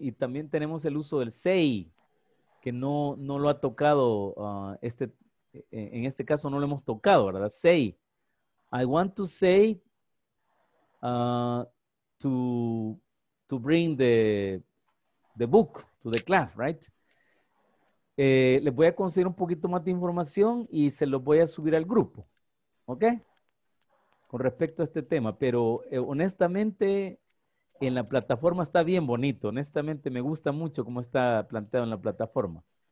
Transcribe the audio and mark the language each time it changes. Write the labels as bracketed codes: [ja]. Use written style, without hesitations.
[es] Y también tenemos el uso del say, que no lo ha tocado, en este caso no lo hemos tocado, ¿verdad? [en] Say, I want to say to bring the book to the class, right? [es] Les voy a conseguir un poquito más de información y se los voy a subir al grupo. ¿Ok? con respecto a este tema, pero honestamente en la plataforma está bien bonito. Honestamente me gusta mucho cómo está planteado en la plataforma.